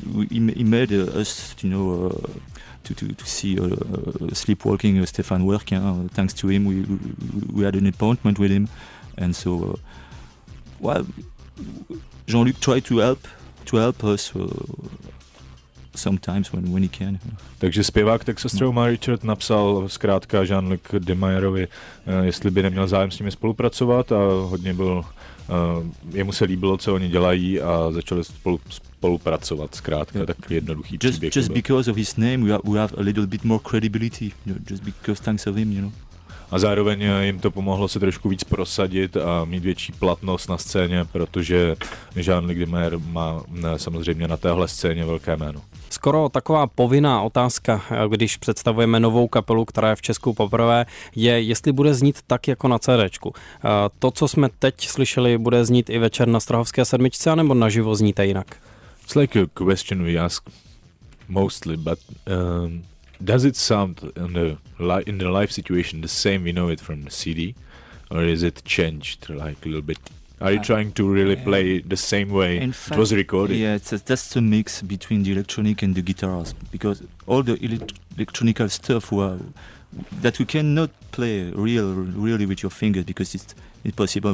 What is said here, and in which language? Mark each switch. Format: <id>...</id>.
<en>He made us, you know, to see Sleepwalking Stéphane Werquin. Thanks to him, we had an appointment with him, and so Jean-Luc tried to help us sometimes when he can.</en> <cs>Takže zpěvák Texas Roma Richard napsal zkrátka Jean-Luc Demeyerovi, jestli by neměl zájem s nimi spolupracovat, a hodně byl jemu se líbilo, co oni dělají, a začali spolupracovat, zkrátka, tak jednoduchý příběh.</cs> <en>Just because of his name we have a little bit more credibility, you know, just because thanks of him, you know.</en> <cs>A zároveň jim to pomohlo se trošku víc prosadit a mít větší platnost na scéně, protože Jean-Luc Demeyer má samozřejmě na téhle scéně velké jméno. Skoro taková povinná otázka, když představujeme novou kapelu, která je v Česku poprvé, je, jestli bude znít tak jako na CDčku. To, co jsme teď slyšeli, bude znít i večer na Strahovské sedmičce, anebo naživo zníte jinak?</cs> <en>It's like a question we ask mostly, but does it sound in the live situation the same we know it from the CD, or is it changed like a little bit? Are you trying to really play the same way it was recorded? Yeah, that's a mix between the electronic and the guitars, because all the electronical stuff that we cannot play really with your fingers, because it's impossible.</en>